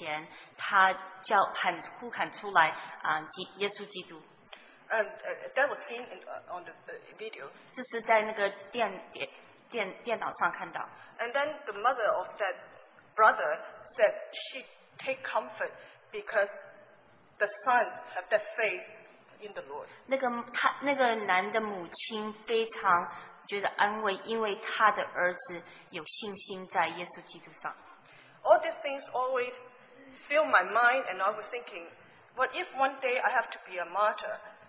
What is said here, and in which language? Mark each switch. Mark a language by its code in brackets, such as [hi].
[zh] 有一个弟兄在他还没有死以前，他叫喊呼喊出来 耶稣基督。 [en] That was seen on the video. [zh] 这是在那个电脑上看到。 [en] And then the mother of that brother said she take comfort because the son have that faith in the Lord. [zh] 那个男的母亲非常觉得安慰，因为他的儿子有信心在耶稣基督上。 [en] All these things always fill my mind, and I was thinking, what if one day I have to be a martyr?